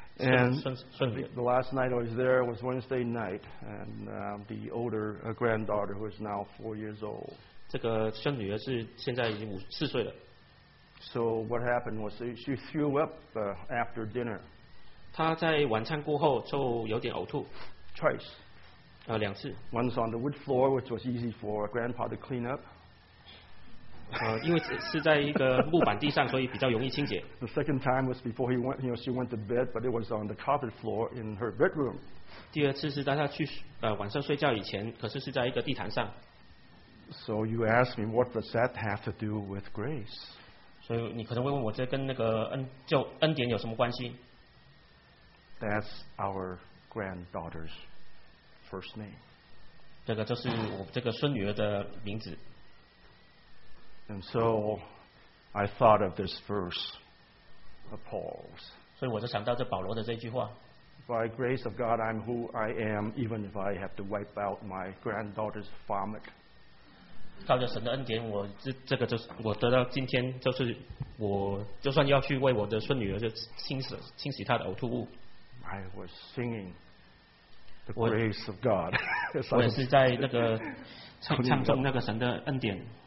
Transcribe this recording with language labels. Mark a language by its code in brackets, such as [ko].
[en] The last night I was there was Wednesday night, and the older granddaughter, who is now 4 years old. [zh] 这个孙女儿是现在已经四岁了。 [en] So what happened was she threw up after dinner. [zh] 她在晚餐过后就有点呕吐。 [en] Twice. [zh] 两次。 [en] Once on the wood floor, which was easy for grandpa to clean up. [zh] 因为是在一个木板地上，所以比较容易清洁。 [en] The second time was before he went, you know, she went to bed, but it was on the carpet floor in her bedroom. [zh] 第二次是当他去, 晚上睡觉以前, 可是是在一个地毯上。 [en] So you ask me, what does that have to do with grace? [zh] 所以你可能会问我这跟那个恩典有什么关系? [en] That's our granddaughter's first name. [zh] 这个就是我这个孙女儿的名字。 [en] And so I thought of this verse of Paul's. [zh] 所以我就想到这保罗的这句话, [en] By grace of God, I'm who I am, even if I have to wipe out my granddaughter's vomit. [zh] 靠着神的恩典,我得到今天,就算要去为我的孙女儿清洗她的呕吐物。 [en] I was singing the grace of God. [zh] 我也是在那个唱颂那个神的恩典。